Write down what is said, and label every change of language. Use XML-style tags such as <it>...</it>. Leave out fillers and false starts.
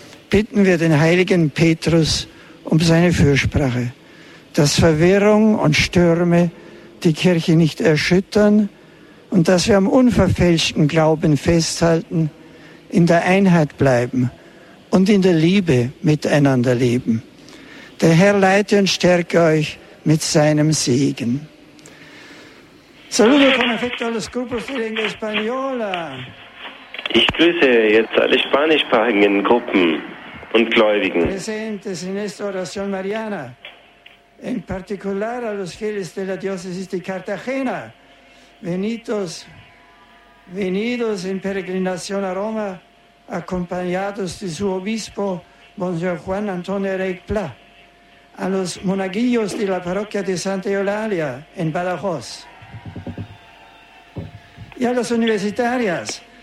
<de>Bitten wir den heiligen Petrus um seine Fürsprache, dass Verwirrung und Stürme die Kirche nicht erschüttern und dass wir am unverfälschten Glauben festhalten, in der Einheit bleiben und in der Liebe miteinander leben. Der Herr leite und stärke euch mit seinem Segen.</de> <es>Saludo con affetto alla gruppo Filinga Spagnola.</es> <de>Ich grüße jetzt alle spanischsprachigen Gruppen und Gläubigen.</de> <es>Presente in esta oración mariana, en particular a los fieles de la diócesis de Cartagena, venidos en peregrinación a Roma, acompañados de su obispo, Monseñor Juan Antonio Reig Pla, a los monaguillos de la parroquia de Santa Eulalia en Badajoz, y a las universitarias.</es>